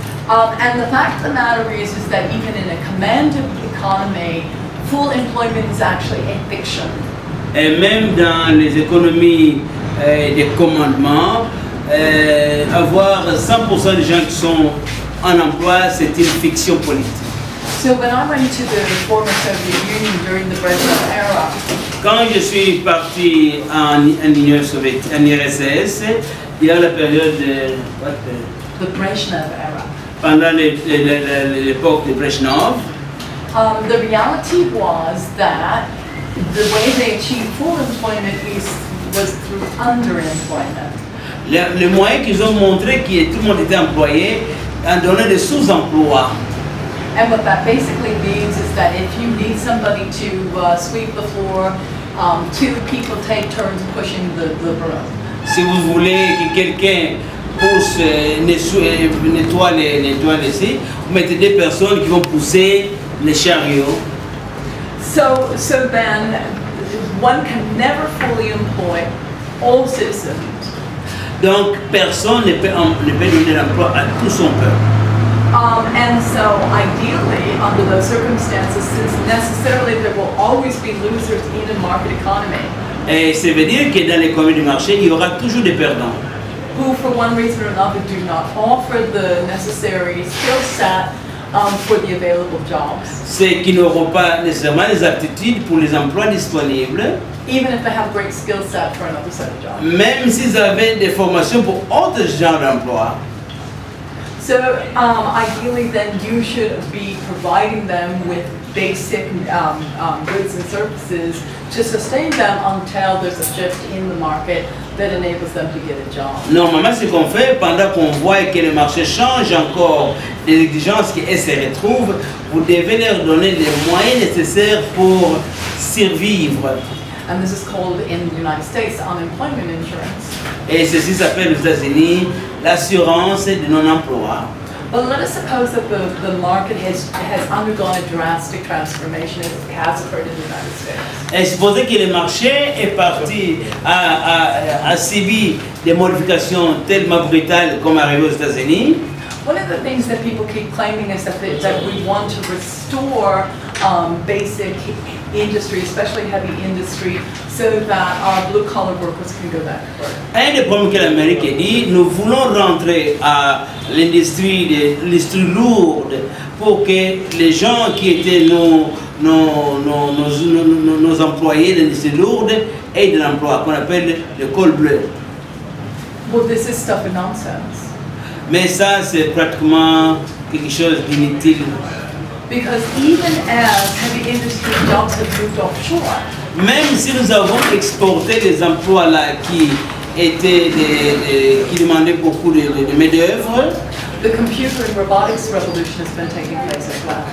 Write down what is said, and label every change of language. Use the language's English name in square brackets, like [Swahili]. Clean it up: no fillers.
[English] And the fact of the matter is that even in a commanded economy, full employment is actually a fiction. [French] Et même dans les économies de commandement, avoir 100% des gens qui sont en emploi, c'est une fiction politique. [English] So when I went to the former Soviet Union during the Brezhnev era, [French] quand je suis parti en Union soviétique, en URSS, il y a la période de... [English] The Brezhnev era. [French] Pendant l'époque de Brezhnev. [English] The reality was that the way they achieved full employment was through underemployment. [French] Le moyen qu'ils ont montré que tout le monde était employé en donnant des sous-emplois. [English] And what that basically means is that if you need somebody to sweep the floor, two people take turns pushing the broom. [French] Si vous voulez que quelqu'un pousse, nettoie les scies, vous mettez des personnes qui vont pousser les chariots. [English] So then, one can never fully employ all citizens. [French] Donc personne ne peut donner l'emploi à tout son peuple. [English] And so ideally, under those circumstances, since necessarily there will always be losers in a market economy. [French] Et ça veut dire que dans l'économie du marché, il y aura toujours des perdants. [English] Who, for one reason or another, do not offer the necessary skill set for the available jobs. [French] C'est qu'ils n'auront pas nécessairement les aptitudes pour les emplois disponibles. [English] Even if they have great skill set for another set of jobs. [French] Même s'ils avaient des formations pour autres genres d'emplois. [English] So ideally then you should be providing them with basic goods and services to sustain them until there's a shift in the market that enables them to get a job. [French] Normalement ce qu'on fait pendant qu'on voit que le marché change encore les exigences qui se retrouvent, vous devez leur donner les moyens nécessaires pour survivre. [English] And this is called in the United States unemployment insurance. [French] Et ceci s'appelle aux États-Unis l'assurance de non-emploi. [English] But let us suppose that the market has undergone a drastic transformation as it has occurred in the United States. [French] Et supposons que le marché est parti a subi des modifications tellement brutales comme arrivé aux États-Unis. [English] One of the things that people keep claiming is that we want to restore basic industry, especially heavy industry, so that our blue-collar workers can go back to work. [French] Un des problèmes que l'Amérique dit, nous voulons rentrer à l'industrie de l'industrie lourde pour que les gens qui étaient nos employés de l'industrie lourde aient de l'emploi, qu'on appelle le col bleu. [English] Well, this is stuff of nonsense. [French] Mais ça, c'est pratiquement quelque chose d'inutile. [English] Because even as heavy industry jobs have moved offshore, [French] même si nous avons exporté des emplois là qui étaient qui demandaient beaucoup de main d'œuvre, [English] the computer and robotics revolution has been taking place as well.